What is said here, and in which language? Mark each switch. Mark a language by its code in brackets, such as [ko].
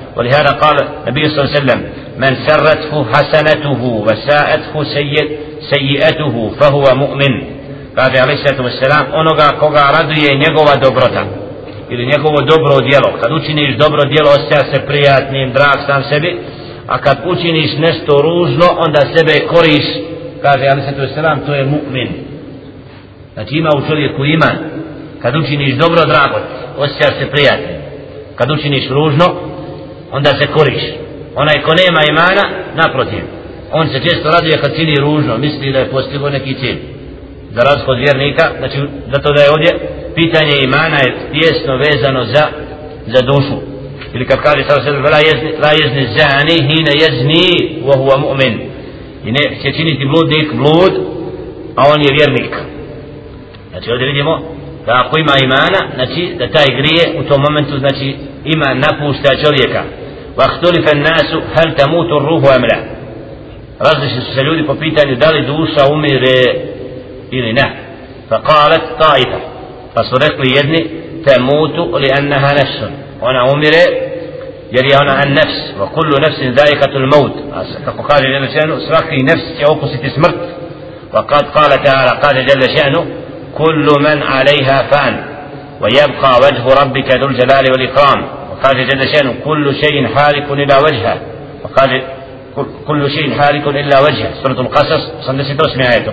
[ar] ولهذا قال النبي صلى الله عليه وسلم من سرته حسنته وساءته سيئته فهو مؤمن قال عليه الصلاة والسلام [bs] onoga koga raduje njegova dobrota ili njegovo dobro djelo. Kad učiniš dobro djelo, osjeća se prijatnim, drag sam sebi, a kad učiniš nešto ružno, onda sebe koriš. Kaže [ar] عليه الصلاة والسلام, [bs] to je mu'min. Znači ima u čovjeku iman. Kad učiniš dobro, drago, osjeća se prijatnim. Kad učiniš ružno, onda se koriš. Onaj ko nema imana, naprotiv, on se često raduje kad čini ružno, misli da je postigao neki cilj. Za razliku od vjernika, znači zato da je ovdje, pitanje imana je tijesno vezano za dušu. Ili kad kaže sada sebe, [ar] la jezni zani, hine jezni, wa huwa mu'min. [bs] I ne će činiti bludnik blud, a on je vjernik. Znači ovdje vidimo, da ako ima imana, znači da taj grije u tom momentu, znači, ima napušta čovjeka. [ar] واختلف الناس هل تموت الروح ام لا. [bs] Različni su se ljudi po pitanju da li duša umire ili ne. [ar] فقالت طائفه, [bs] pa su rekli jedni, [ar] تموت لانها نفس, [bs] ona umire jer je ona nefs. [ar] وكل نفس ذائقه الموت, [bs] kako kaže jedan šenu, svaki nefs će okusiti smrt. [ar] وقد قال تعالى, قال جل شانه, كل من عليها فان ويبقى وجه ربك ذو الجلال والإكرام. وقال جل شأنه, كل شيء حالك إلا وجهه. وقال كل شيء حالك إلا وجهه, سورة القصص صندسي توسم آياته.